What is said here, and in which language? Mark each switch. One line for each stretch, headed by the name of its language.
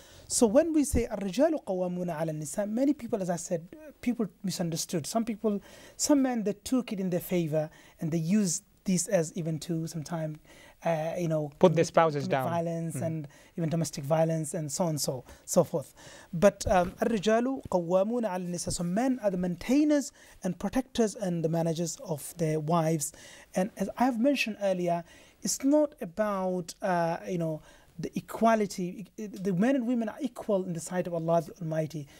English: So when we say
Arabic: الرجال قوامون على النساء,
English: many people, as I said, people misunderstood. Some men, they took it in their favor and they used this as even to sometimes, put their spouses down. Violence and even domestic violence and so on and so forth.
Arabic: But الرجال قوامون على النساء.
English: So men are the maintainers and protectors and the managers of their wives. And as I have mentioned earlier, it's not about, the equality, the men and women are equal in the sight of Allah the Almighty.